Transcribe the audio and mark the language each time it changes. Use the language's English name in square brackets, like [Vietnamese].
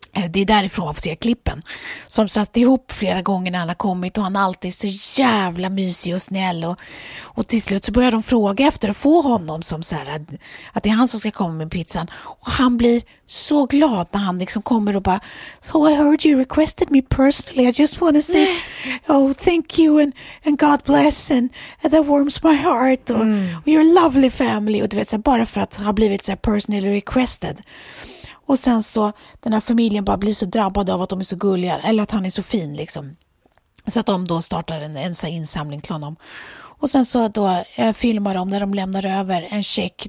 [Swedish] Det är därifrån man får se klippen. Som satt ihop flera gånger när han har kommit, och han alltid är så jävla mysig och snäll. Och till slut så börjar de fråga efter att få honom, som så här, att det är han som ska komma med pizzan. Och han blir så glad när han liksom kommer och bara, [English] so I heard you requested me personally. I just want to say, oh thank you and God bless and that warms my heart. And you're a lovely family. [Swedish] Och du vet, så här, bara för att ha blivit så här personally requested. Och sen så, den här familjen bara blir så drabbad av att de är så gulliga, eller att han är så fin liksom. Så att de då startar en sån insamling till honom. Och sen så då filmar de när de lämnar över en check.